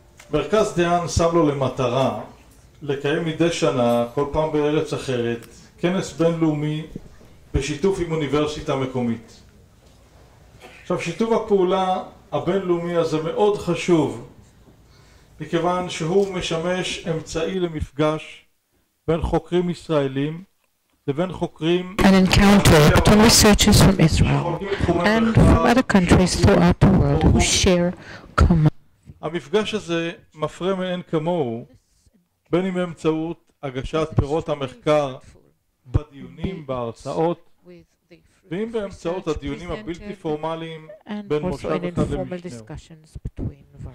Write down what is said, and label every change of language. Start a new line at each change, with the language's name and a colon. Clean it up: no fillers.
Hebrew: מרכז דהאן שם לו למטרה לקיים מדי שנה, כל פעם בארץ אחרת, כנס בינלאומי בשיתוף עם אוניברסיטה מקומית. עכשיו, שיתוף הפעולה הבינלאומי הזה מאוד חשוב, מכיוון שהוא משמש אמצעי למפגש בין חוקרים ישראלים לבין חוקרים
English: an encounter between researchers from Israel and from other countries throughout the world who share
Hebrew: המפגש הזה מפרה מעין כמוהו בין אם באמצעות הגשת פירות המחקר בדיונים בהרצאות ואם באמצעות הדיונים הבלתי פורמליים בין מושב אחד למשנהו.